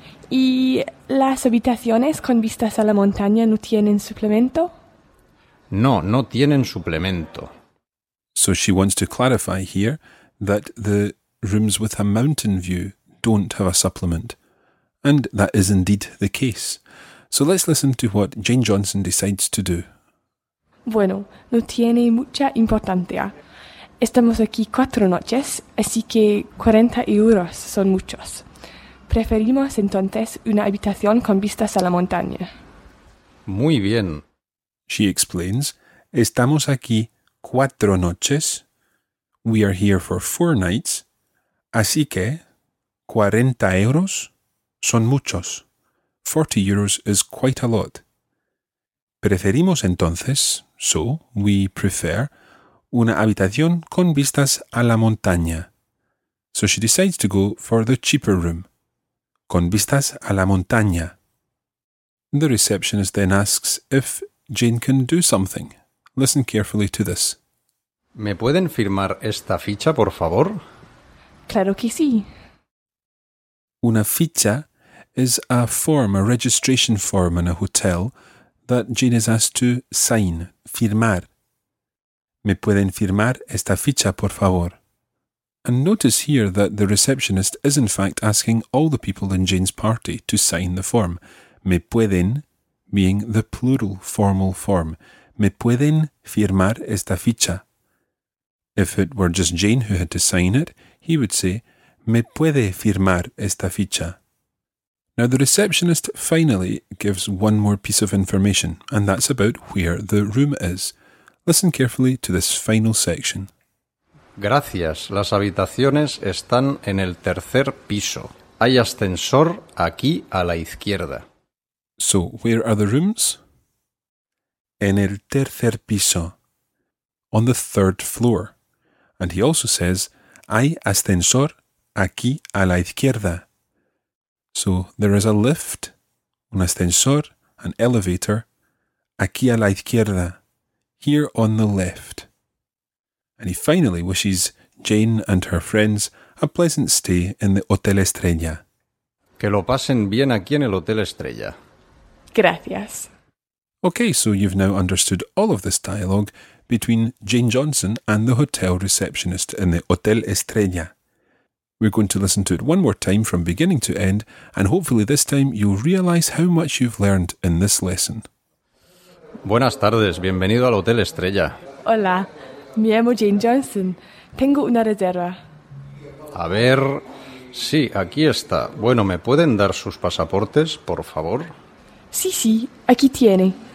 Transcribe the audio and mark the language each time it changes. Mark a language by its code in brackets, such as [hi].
[es] ¿Y las habitaciones con vistas a la montaña no tienen suplemento? No, no tienen suplemento. [en] So she wants to clarify here that the rooms with a mountain view don't have a supplement. And that is indeed the case. So let's listen to what Jane Johnson decides to do. [es] Bueno, no tiene mucha importancia. Estamos aquí 4 noches, así que 40 euros son muchos. Preferimos entonces una habitación con vistas a la montaña. Muy bien. [en] She explains, [es] estamos aquí 4 noches. [en] We are here for 4 nights. [es] Así que 40 euros son muchos. [en] 40 euros is quite a lot. [es] Preferimos entonces, [en] so we prefer, [es] una habitación con vistas a la montaña. [en] So she decides to go for the cheaper room. [es] Con vistas a la montaña. [en] The receptionist then asks if Jane can do something. Listen carefully to this. [es] ¿Me pueden firmar esta ficha, por favor? Claro que sí. [en] Una ficha is a form, a registration form in a hotel that Jane is asked to sign, firmar. [es] ¿Me pueden firmar esta ficha, por favor? [en] And notice here that the receptionist is in fact asking all the people in Jane's party to sign the form. [es] ¿Me pueden, [en] being the plural formal form, [es] me pueden firmar esta ficha? [en] If it were just Jane who had to sign it, he would say, [es] ¿Me puede firmar esta ficha? [en] Now the receptionist finally gives one more piece of information, and that's about where the room is. Listen carefully to this final section. [es] Gracias. Las habitaciones están en el tercer piso. Hay ascensor aquí a la izquierda. [en] So, where are the rooms? [es] En el tercer piso. [en] On the third floor. And he also says, [es] hay ascensor aquí a la izquierda. [en] So, there is a lift, [es] un ascensor, [en] an elevator, [es] aquí a la izquierda, [en] here on the left. And he finally wishes Jane and her friends a pleasant stay in the Hotel Estrella. [es] Que lo pasen bien aquí en el Hotel Estrella. Gracias. [en] Okay, so you've now understood all of this dialogue between Jane Johnson and the hotel receptionist in the Hotel Estrella. We're going to listen to it one more time from beginning to end, and hopefully this time you'll realise how much you've learned in this lesson. [es] Buenas tardes, bienvenido al Hotel Estrella. Hola, me llamo Jane Johnson. Tengo una reserva. A ver, sí, aquí está. Bueno, ¿me pueden dar sus pasaportes, por favor? Sí, sí, aquí tiene.